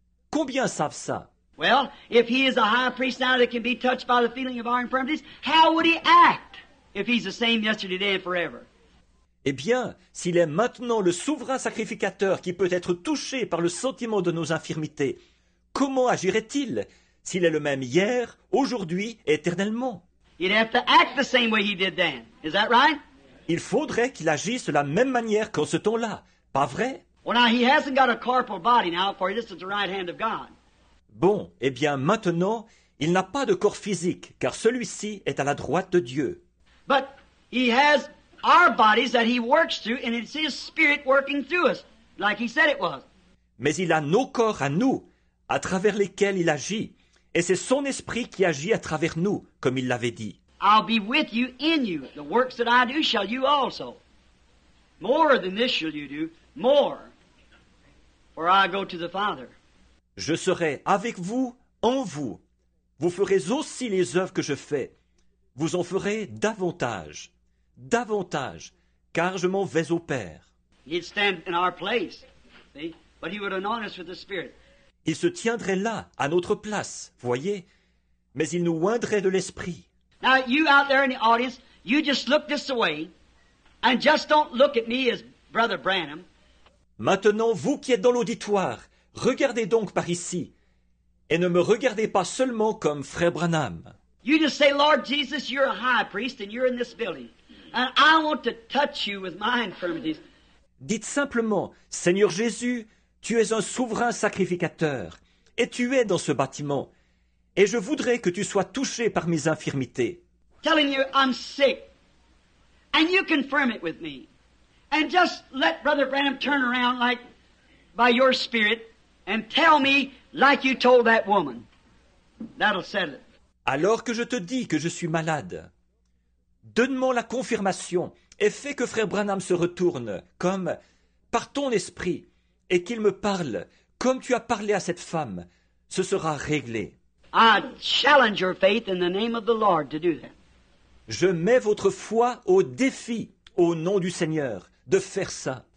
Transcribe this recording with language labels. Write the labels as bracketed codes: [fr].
[fr] Combien savent ça? [en] Well, if he is a high priest now that can be touched by the feeling of our infirmities, how would he act if he's the same yesterday, today, and forever? [fr] Eh bien, s'il est maintenant le souverain sacrificateur qui peut être touché par le sentiment de nos infirmités, comment agirait-il s'il est le même hier, aujourd'hui, éternellement? [en] He'd have to act the same way he did then. Is that right? [fr] Il faudrait qu'il agisse de la même manière qu'en ce temps-là. Pas vrai? [en] Well, now he hasn't got a corporal body now, for this is the right hand of God. [fr] Bon, eh bien, maintenant, il n'a pas de corps physique, car celui-ci est à la droite de Dieu. [en] But he has our bodies that he works through, and it's his spirit working through us, like he said it was. [fr] Mais il a nos corps à nous, à travers lesquels il agit, et c'est son esprit qui agit à travers nous, comme il l'avait dit. [en] I'll be with you in you. The works that I do shall you also. More than this shall you do, more. For I go to the Father. [fr] Je serai avec vous, en vous. Vous ferez aussi les œuvres que je fais. Vous en ferez davantage. Davantage. Car je m'en vais au Père. [en] He'd stand in our place, see? But he would anoint us with the Spirit. [fr] Il se tiendrait là, à notre place, voyez? Mais il nous oindrait de l'Esprit. [en] Now, you out there in the audience, you just look this way and just don't look at me as Brother Branham. [fr] Maintenant, vous qui êtes dans l'auditoire, regardez donc par ici et ne me regardez pas seulement comme Frère Branham. [en] You just say, Lord Jesus, you're a high priest and you're in this building. And I want to touch you with my infirmities. [fr] Dites simplement, Seigneur Jésus, tu es un souverain sacrificateur et tu es dans ce bâtiment. Et je voudrais que tu sois touché par mes infirmités. [en] Telling you, I'm sick. And you confirm it with me. And just let Brother Branham turn around like by your spirit and tell me like you told that woman. That'll settle it. [fr] Alors que je te dis que je suis malade, donne-moi la confirmation et fais que Frère Branham se retourne comme par ton esprit et qu'il me parle comme tu as parlé à cette femme. Ce sera réglé. [en] I challenge your faith in the name of the Lord to do that. [fr] Je mets votre foi au défi, au nom du Seigneur, de faire ça.